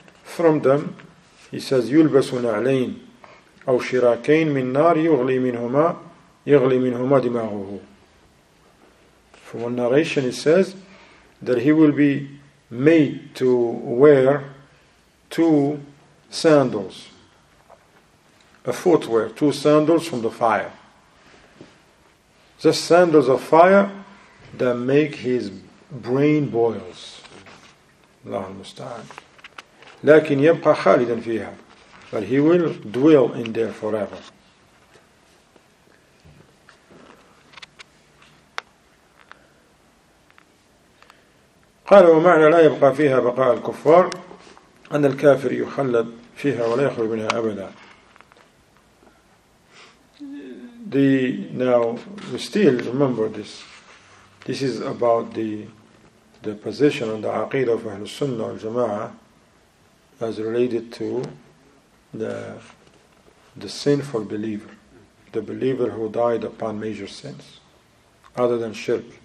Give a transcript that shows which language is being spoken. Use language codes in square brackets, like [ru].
[en] From them, he says, [ar] يُلْبَسُ نَعْلَيْن أَوْ شِرَاكَيْن مِنْ نَارِ يُغْلِي مِنْهُمَا دِمَاغُهُ. [en] From one narration, it says that he will be made to wear two sandals from the fire. The sandals of fire that make his brain boils. [ar] الله المستعان. لكن يبقى خالدا فيها. [en] But he will dwell in there forever. [ar] قال ومعنى لا يبقى فيها بقاء الكفار أن الكافر يخلد فيها ولا يخرج منها أبدا. [en] The now we still remember this. This is about the position and the عقيدة of أهل السنة والجماعة as related to the sinful believer, the believer who died upon major sins, other than shirk.